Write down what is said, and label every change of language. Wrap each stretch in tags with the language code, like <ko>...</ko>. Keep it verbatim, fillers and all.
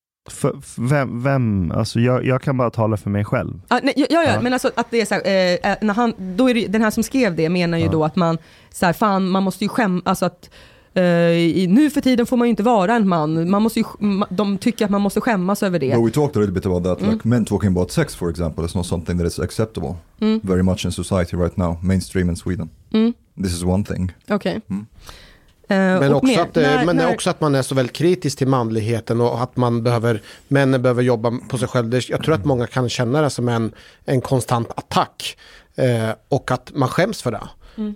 <sv>För, för vem, vem? Alltså jag, jag kan bara tala för mig själv. Ah, nej, ja, ja, ja, men alltså att det är så här, eh, när han, då är det, den här som skrev det menar ju ja. då att man så här, fan, man måste ju skämma, alltså att eh, i, nu för tiden får man ju inte vara en man. Man måste ju, de tycker att man måste skämmas över det.</sv> <en>But we talked a little bit about that, mm. like men talking about sex, for example, is not something that is acceptable mm. very much in society right now, mainstream in Sweden. Mm. This is one thing.</en> <sv>Okej. Okay. Mm. Men, också att, när, men när... också att man är så väldigt kritisk till manligheten och att man behöver, männen behöver jobba på sig själv. Jag tror att många kan känna det som en, en konstant attack eh, och att man skäms för det. Mm.</sv>